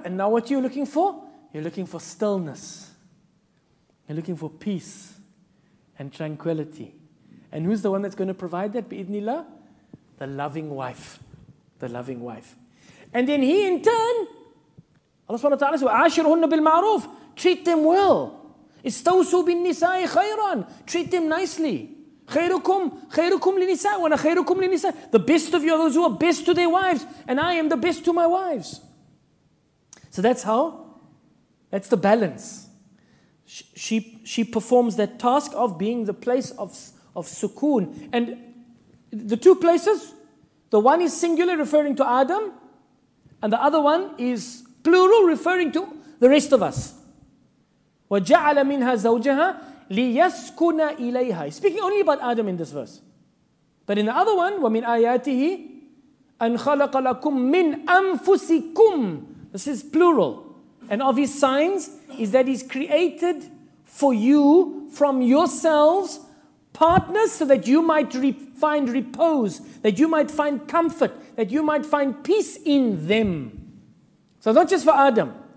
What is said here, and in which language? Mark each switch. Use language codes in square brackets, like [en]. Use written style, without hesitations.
[en] And now what are you looking for? You're looking for stillness. You're looking for peace and tranquility. And who's the one that's going to provide that? Bi-idhnillah? The loving wife. The loving wife. And then he in turn, Allah subhanahu wa ta'ala says, [ar] وَعَاشِرْهُنَّ بِالْمَعْرُوفِ. [en] Treat them well. [ar] اِسْتَوْسُوا بِالنِّسَاءِ خَيْرًا. [en] Treat them nicely. [ar] خيركم للنساء وأنا خيركم للنساء. [en] The best of you are those who are best to their wives, and I am the best to my wives. So that's how, that's the balance. She performs that task of being the place of sukoon. And the two places, the one is singular referring to Adam, and the other one is plural referring to the rest of us. [ar] وَجَعَلَ مِنْهَا زَوْجَهَا لِيَسْكُنَ إِلَيْهَا. [en] Speaking only about Adam in this verse. But in the other one, [ar] وَمِنْ آيَاتِهِ أَنْ خَلَقَ لَكُمْ مِنْ أَنْفُسِكُمْ. [en] This is plural. And of his signs is that he's created for you from yourselves partners so that you might find repose, that you might find comfort, that you might find peace in them. So not just for Adam.